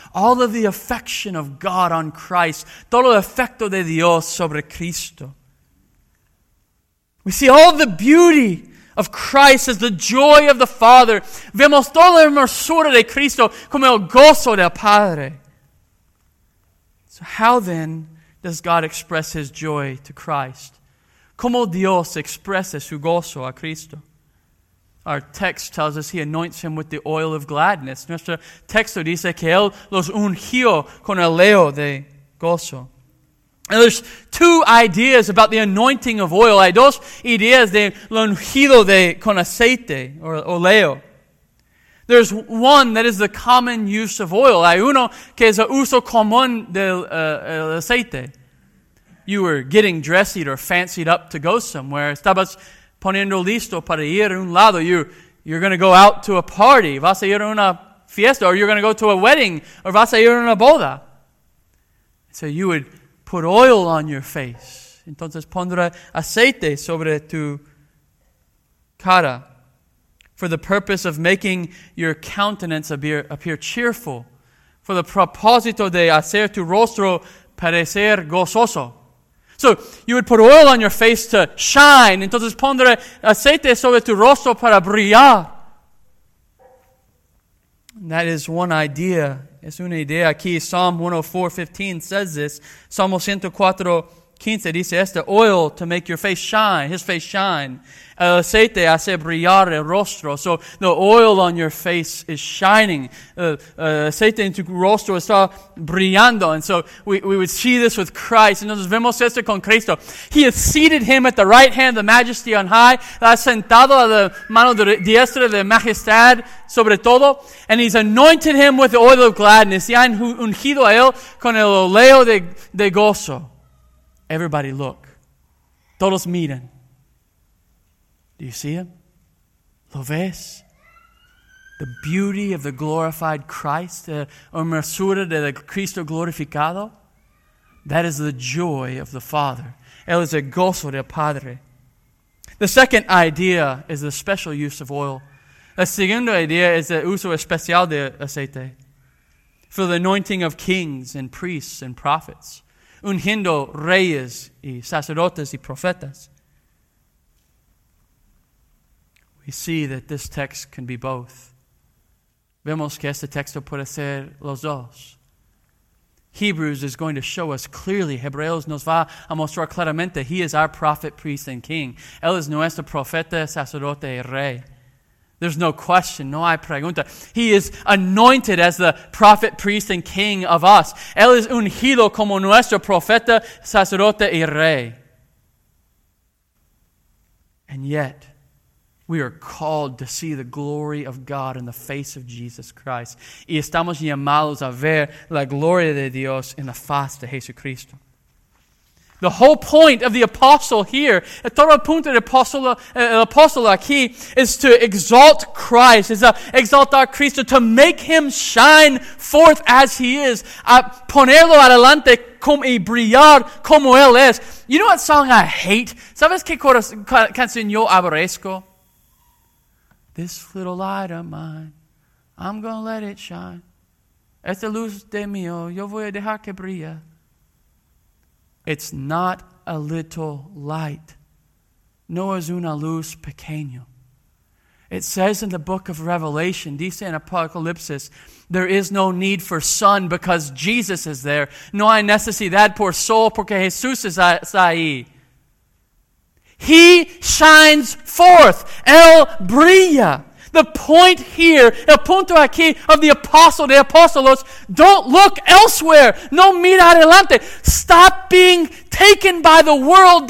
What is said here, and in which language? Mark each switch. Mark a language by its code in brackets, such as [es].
[en] All of the affection of God on Christ. [es] Todo el efecto de Dios sobre Cristo. [en] We see all the beauty of Christ as the joy of the Father. [es] Vemos toda la hermosura de Cristo como el gozo del Padre. [en] So how then does God express His joy to Christ? [es] ¿Cómo Dios expresa su gozo a Cristo? [en] Our text tells us He anoints Him with the oil of gladness. [es] Nuestro texto dice que Él los ungió con el óleo de gozo. [en] And there's two ideas about the anointing of oil. [es] Hay dos ideas de lo ungido de con aceite, or oleo. [en] There's one that is the common use of oil. [es] Hay uno que es el uso común del aceite. [en] You were getting dressed or fancied up to go somewhere. [es] Estabas poniendo listo para ir a un lado. [en] You're going to go out to a party. [es] Vas a ir a una fiesta, [en] or you're going to go to a wedding, or [es] vas a ir a una boda. [en] So you would put oil on your face. [es] Entonces pondrá aceite sobre tu cara [en] for the purpose of making your countenance appear cheerful, [es] for the propósito de hacer tu rostro parecer gozoso. [en] So you would put oil on your face to shine. [es] Entonces pondrá aceite sobre tu rostro para brillar. [en] And that is one idea. [es] Es una idea aquí. [en] Psalm 104:15 says this. [es] Salmo 104:15 dice este: [en] oil to make your face shine, his face shine. [es] El aceite hace brillar el rostro. [en] So the oil on your face is shining. [es] Aceite en tu rostro está brillando. [en] And so we would see this with Christ. [es] Entonces vemos esto con Cristo. [en] He has seated him at the right hand of the majesty on high. [es] Ha sentado a la mano diestra de majestad sobre todo. [en] And he's anointed him with the oil of gladness. [es] Y ha ungido a él con el óleo de gozo. [en] Everybody look. [es] Todos miren. [en] Do you see him? [es] ¿Lo ves? [en] The beauty of the glorified Christ, [es] the hermosura de Cristo glorificado, [en] that is the joy of the Father. [es] Él es el gozo del Padre. [en] The second idea is the special use of oil. [es] La segunda idea es el uso especial de aceite [en] for the anointing of kings and priests and prophets, [es] ungiendo reyes y sacerdotes y profetas. [en] We see that this text can be both. [es] Vemos que este texto puede ser los dos. [en] Hebrews is going to show us clearly. [es] Hebreos nos va a mostrar claramente. [en] He is our prophet, priest, and king. [es] Él es nuestro profeta, sacerdote, y rey. [en] There's no question. [es] No hay pregunta. [en] He is anointed as the prophet, priest, and king of us. [es] Él es ungido como nuestro profeta, sacerdote, y rey. [en] And yet, we are called to see the glory of God in the face of Jesus Christ. [es] Y estamos llamados a ver la gloria de Dios en la faz de Jesucristo. [en] The whole point of the apostle here, [es] todo el punto del apóstol aquí, [en] is to exalt Christ, is to exalt our Cristo, to make him shine forth as he is, [es] a ponerlo adelante y brillar como él es. [en] You know what song I hate? [es] ¿Sabes qué canción yo aborrezco? [en] This little light of mine, I'm going to let it shine. [es] Esta luz de mío, yo voy a dejar que brille. [en] It's not a little light. [es] No es una luz pequeña. [en] It says in the book of Revelation, [es] dice en Apocalipsis, [en] there is no need for sun because Jesus is there. [es] No hay necesidad por sol porque Jesús está ahí. [en] He shines forth. Él brilla. The point here, [es] el punto aquí [en] of the apostle, the apostolos, don't look elsewhere. [es] No mira adelante. [en] Stop being taken by the world.